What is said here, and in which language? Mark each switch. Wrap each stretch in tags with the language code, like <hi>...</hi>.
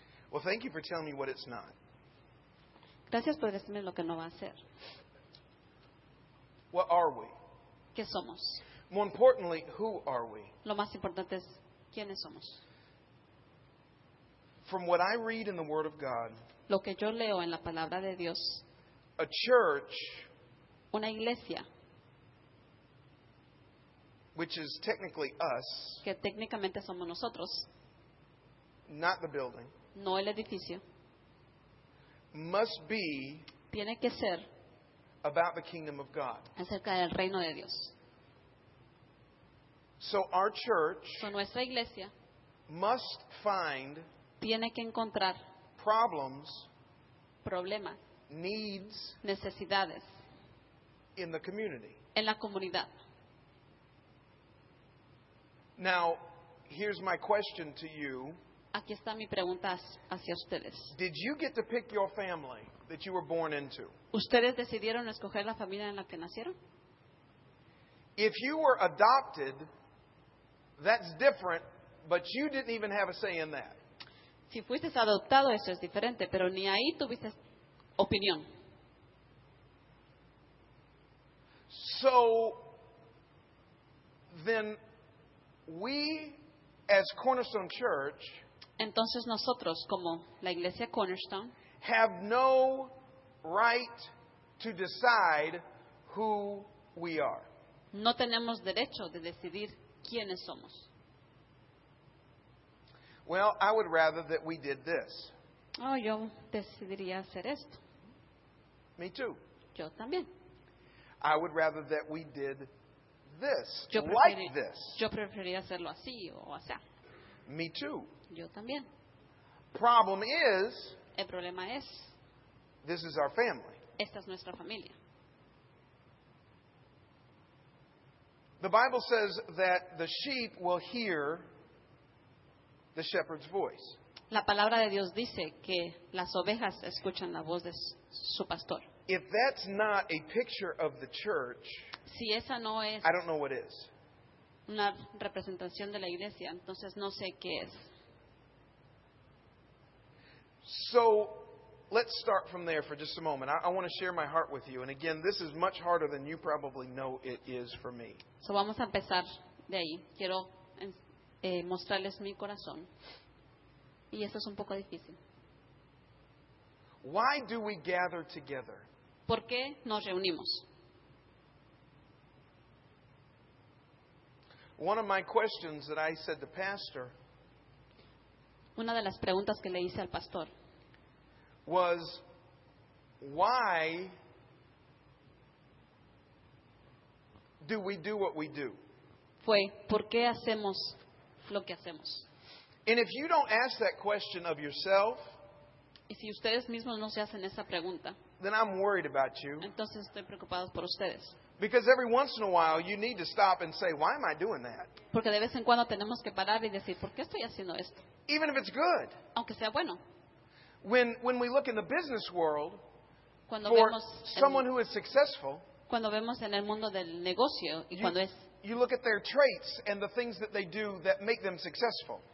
<en>Well, thank you for telling me what it's not.</en> <es>Gracias por decirme lo que no va a ser.</es> <en>What are we?</en> <es>¿Qué somos?</es> <en>More importantly, who are we?</en> <es>Lo más importante es quiénes somos.</es> <en>From what I read in the Word of God.</en> <es>Lo que yo leo en la palabra de Dios.</es> <en>A church.</en> <es>Una iglesia.</es> <en>Which is technically us.</en> <es>Que técnicamente somos nosotros.</es> <en>Not the building.</en> <es>No el edificio.</es> <en>Must be.</en> <es>Tiene que ser.</es> <en>About the kingdom of God.</en> <es>Acerca del reino de Dios.</es> <en>So our church.</en> <es>So nuestra iglesia.</es> <en>Must find.</en> <es>Tiene que encontrar.</es> <en>Problems.</en> <es>Problemas.</es> <en>Needs.</en> <es>Necesidades.</es> <en>In the community.</en> <es>En la comunidad.</es> <en>Now, here's my question to you.</en> <es>Aquí está mi pregunta hacia ustedes.</es> <en>Did you get to pick your family that you were born into?</en> <es>¿Ustedes decidieron escoger la familia en la que nacieron?</es> <en>If you were adopted, that's different, but you didn't even have a say in that.</en> <es>Si fuiste adoptado, eso es diferente, pero ni ahí tuviste opinión.</es> <en>So, then we, as Cornerstone Church,</en> <es>entonces nosotros, como la iglesia Cornerstone,</es> <en>have no right to decide who we are.</en> <es>No tenemos derecho de decidir quiénes somos.</es> <en>Well, I would rather that we did this.</en> <es>Oh, yo decidiría hacer esto.</es> <en>Me too.</en> <es>Yo también.</es> <en>I would rather that we did this,</en> <es>yo</es> <en>like this.</en> <es>Yo preferiría hacerlo así o así.</es> <en>Me too.</en> <es>Yo también.</es> <en>Problem is.</en> <es>El problema es.</es> <en>This is our family.</en> <es>Esta es nuestra familia.</es> <en>The Bible says that the sheep will hear the shepherd's voice.</en> <es>La palabra de Dios dice que las ovejas escuchan la voz de su pastor.</es> <en>If that's not a picture of the church,</en> <es>si esa no es,</es> <en>I don't know what is.</en> <es>Una representación de la iglesia, entonces no sé qué es.</es> <en>So, let's start from there for just a moment. I want to share my heart with you. And again, this is much harder than you probably know it is for me.</en> <es>So, vamos a empezar de ahí. Quiero mostrarles mi corazón. Y esto es un poco difícil.</es> <en>Why do we gather together?</en> <es>¿Por qué nos reunimos?</es> <en>One of my questions that I said to pastor,</en> <es>una de las preguntas que le hice al pastor,</es> <en>was, why do we do what we do?</en> <es>Fue, ¿por qué hacemos lo que hacemos?</es> <en>And if you don't ask that question of yourself,</en> <es>y si ustedes mismos no se hacen esa pregunta,</es> <en>then I'm worried about you.</en> <es>Entonces estoy preocupado por ustedes.</es> <en>Because every once in a while you need to stop and say, why am I doing that?</en> <es>Porque de vez en cuando tenemos que parar y decir, ¿por qué estoy haciendo esto?</es> <en>Even if it's good.</en> <es>Aunque sea bueno.</es> <en>When we look in the business world,</en> <es>cuando</es> <en>for</en> <es>vemos</es> <en>someone who is successful,</en> <es>cuando vemos en el mundo del negocio y cuando es,</es> <en>you look at their traits and the things that they do that make them successful.</en>